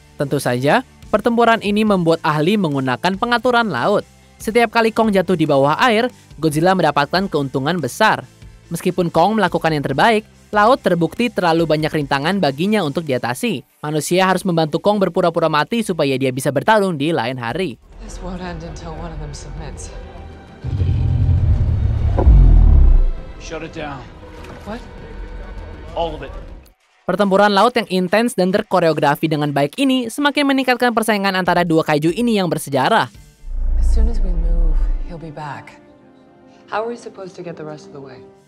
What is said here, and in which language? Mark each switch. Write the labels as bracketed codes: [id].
[id] Tentu saja, pertempuran ini membuat ahli menggunakan pengaturan laut. Setiap kali Kong jatuh di bawah air, Godzilla mendapatkan keuntungan besar. Meskipun Kong melakukan yang terbaik, laut terbukti terlalu banyak rintangan baginya untuk diatasi. Manusia harus membantu Kong berpura-pura mati supaya dia bisa bertarung di lain hari. [en] This won't end until one of them submits. Shut it down. What? All of it. [id] Pertempuran laut yang intens dan terkoreografi dengan baik ini semakin meningkatkan persaingan antara dua kaiju ini yang bersejarah. [en] As soon as we move, he'll be back. How are we supposed to get the rest of the way?